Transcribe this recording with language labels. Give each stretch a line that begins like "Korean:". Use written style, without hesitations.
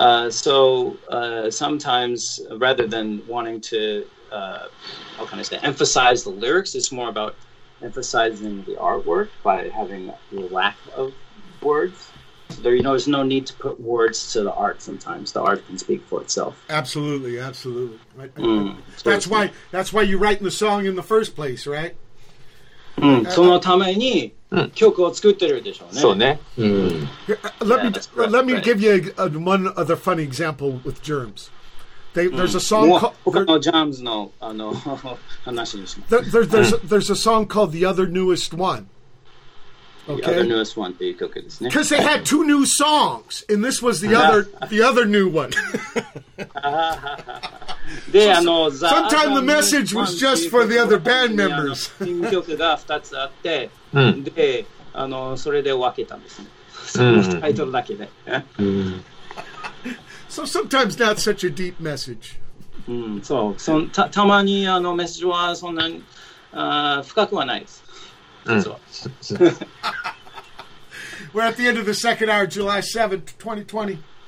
English: So sometimes rather than wanting to how can I say, emphasize the lyrics, it's more about emphasizing the artwork by having the lack of words. So there, you know, there's no need to put words to the art sometimes. The art can speak for itself. Absolutely. Right. That's why you write the song in the first place, right?
Japanese: そのために曲を作ってるでしょうね。そうね。
English: Let me give you one other funny example with germs. There's a song called
Japanese: germs の話にします。
English: There's a song called The Other Newest One. Okay.
Japanese: The Other Newest One っていう曲ですね。
English: Because they had two new songs, and this was the other new one.
Japanese: で、
English: Sometimes the message was just for the other band members.
Japanese: 新曲が2つあって、で、それで分けたんですね。タイトルだけで。
English: So sometimes not such a deep message.
Japanese: そう、そのたまにメッセージはそんなに深くはないです。
English: We're at the end of the second hour, July 7th, 2020.